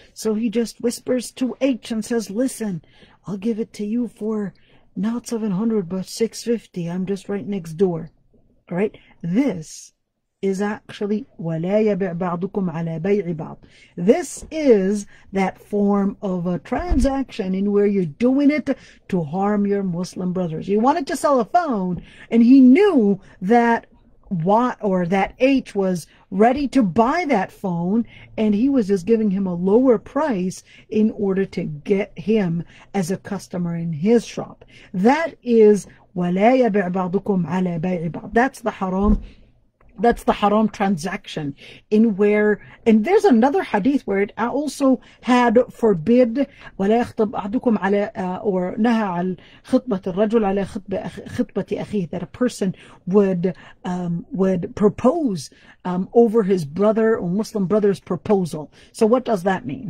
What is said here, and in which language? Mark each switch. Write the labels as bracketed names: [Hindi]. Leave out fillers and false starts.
[English] So he just whispers to H and says, listen, I'll give it to you for not 700, but 650. I'm just right next door. All right. This is actually, [Arabic] وَلَا يَبِعْ بَعْضُكُمْ عَلَى بَيْعِ بَعْضٍ. [English] This is that form of a transaction in where you're doing it to harm your Muslim brothers. You wanted to sell a phone, and he knew that Y, or that H, was ready to buy that phone, and he was just giving him a lower price in order to get him as a customer in his shop. That is [Arabic] وَلَا يَبِعْ بَعْضُكُمْ عَلَى بَيْعِ بَعْضٍ. [English] That's the haram transaction in where, and there's another hadith where it also had forbid [Arabic] وَلَا يَخْطَبْ أَحْدُكُمْ عَلَى [English] or [Arabic] نَهَى عَلْ خِطْبَةِ الرَّجُلِ عَلَى خِطْبَةِ أَخِيهِ, [English] that a person would propose over his brother or Muslim brother's proposal. So what does that mean?